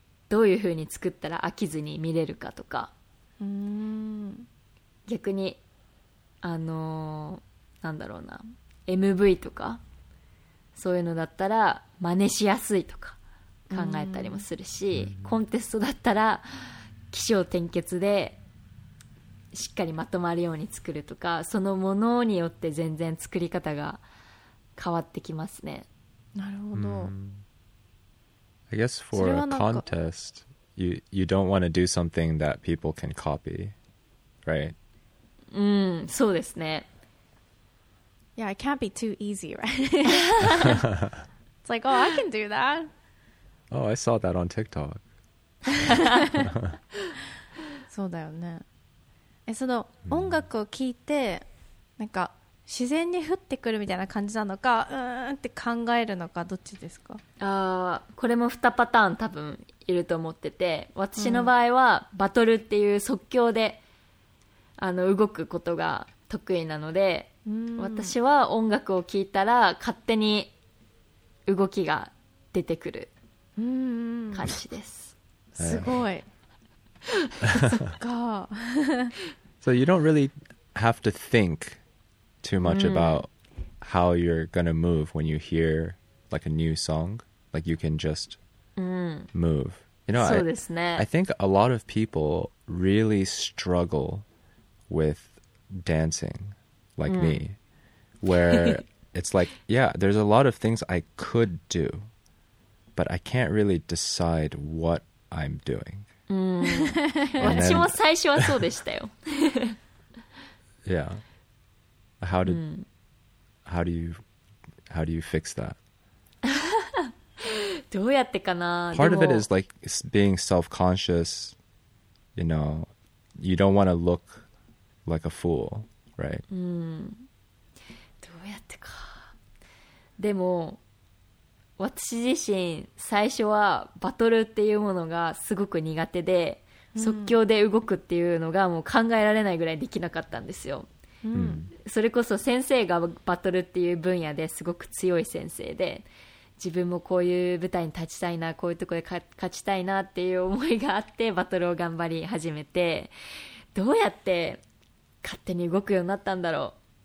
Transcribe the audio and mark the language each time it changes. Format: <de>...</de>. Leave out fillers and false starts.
<ja>どういう風に作ったら飽きずに見れるかとか、逆になんだろうな、 MV とかそういうのだったら真似しやすいとか考えたりもするし、コンテストだったら起承転結でしっかりまとまるように作るとか、そのものによって全然作り方が変わってきますね。なるほど。</ja> <en>I guess for a contest, you don't want to do something that people can copy, right?</en> <ja>うん、そうですね。</ja> <en>Yeah, it can't be too easy, right? It's like, oh, I can do that. Oh, I saw that on TikTok.</en> <ja>そうだよね。その音楽を聞いて、なんか自然に降ってくるみたいな感じなのか、うーんって考えるのか、どっちですか？ああ、これも2パターン多分いると思ってて、私の場合はバトルっていう即興で、動くことが得意なので、私は音楽を聴いたら勝手に動きが出てくる感じです。すごい。</ja> <en>So you don't really have to think too much about how you're gonna move when you hear like a new song. Like you can just move. You know, I think a lot of people really struggle with dancing, like me, where it's like, yeah, there's a lot of things I could do, but I can't really decide what I'm doing.</en> <ja>私も最初はそうでしたよ。</ja> <en>Yeah. How do you fix that?</en> <ja>どうやってかな。</ja> <en>Part of it is like being self-conscious. You know, you don't want to look like a fool, right?</en> <ja>どうやってか。でも私自身最初はバトルっていうものがすごく苦手で、即興で動くっていうのがもう考えられないぐらいできなかったんですよ。それこそ先生がバトルっていう分野ですごく強い先生で、自分もこういう舞台に立ちたいな、こういうところで勝ちたいなっていう思いがあってバトルを頑張り始めて、どうやって勝手に動くようになったんだろう。</ja>